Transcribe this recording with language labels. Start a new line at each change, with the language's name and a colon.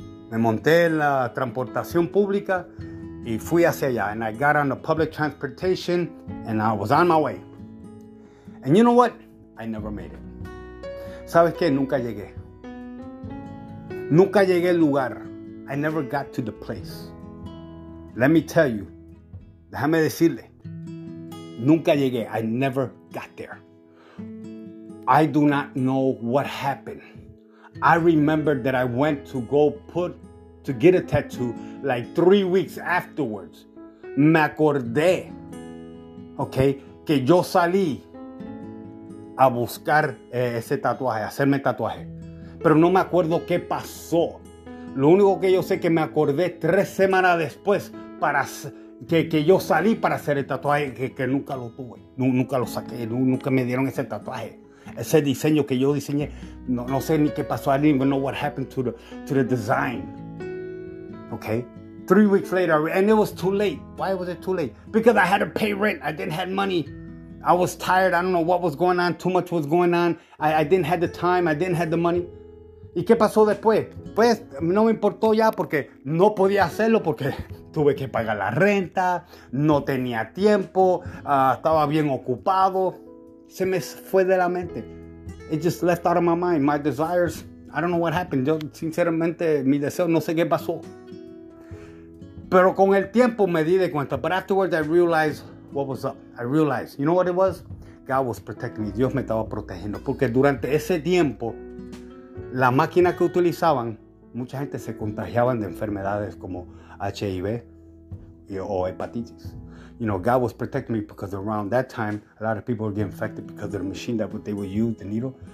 Spanish: Me monté en la transportación pública y fui hacia allá.
English: And I got on the public transportation and I was on my way. And you know what? I never made it.
Spanish: ¿Sabes qué? Nunca llegué. Nunca llegué al lugar.
English: I never got to the place. Let me tell you.
Spanish: Déjame decirle. Nunca llegué.
English: I never got there. I do not know what happened. I remember that I went to go to get a tattoo like 3 weeks afterwards.
Spanish: Me acordé. Okay? Que yo salí a buscar ese tatuaje, hacerme tatuaje. Pero no me acuerdo qué pasó. Lo único que yo sé es que me acordé 3 semanas después para que yo salí para hacer el tatuaje, que nunca lo tuve, nunca lo saqué, nunca me dieron ese tatuaje. Ese diseño que yo diseñé, no sé ni qué pasó.
English: I didn't even know what happened to the design. Okay? 3 weeks later, and it was too late. Why was it too late? Because I had to pay rent. I didn't have money. I was tired. I don't know what was going on. Too much was going on. I didn't have the time. I didn't have the money.
Spanish: ¿Y qué pasó después? Pues no me importó ya porque no podía hacerlo porque tuve que pagar la renta. No tenía tiempo. Estaba bien ocupado. Se me fue de la mente.
English: It just left out of my mind. My desires. I don't know what happened.
Spanish: Yo, sinceramente, mi deseo, no sé qué pasó. Pero con el tiempo me di de cuenta.
English: But afterwards, I realized what was up. I realized, you know what it was? God was protecting me.
Spanish: Dios me estaba protegiendo. Porque durante ese tiempo, la máquina que utilizaban, mucha gente se contagiaban de enfermedades como HIV o hepatitis.
English: You know, God was protecting me because around that time, a lot of people were getting infected because of the machine that they would use, the needle.